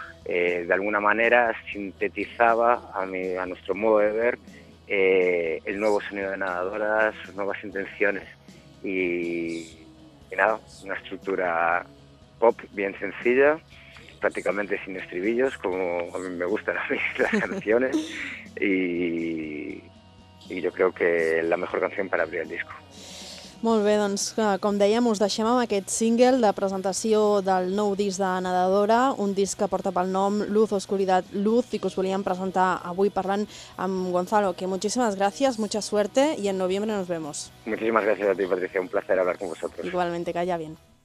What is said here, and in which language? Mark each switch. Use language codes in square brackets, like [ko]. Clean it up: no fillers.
[es] De alguna manera sintetizaba, a nuestro modo de ver, el nuevo sonido de Nadadora, sus nuevas intenciones y nada, una estructura pop bien sencilla, prácticamente sin estribillos, como a mí me gustan a mí las canciones, y yo creo que la mejor canción para abrir el disco. [ca] Molt bé, doncs, com dèiem, us deixem amb aquest single de presentació del nou disc de Nadadora, un disc que porta pel nom Luz, Oscuridad, Luz, i que us volíem presentar avui parlant amb Gonzalo. [es] Que muchísimas gracias, mucha suerte, y en noviembre nos vemos. Muchísimas gracias a ti, Patricia, un placer hablar con vosotros. Igualmente, que vaya bien.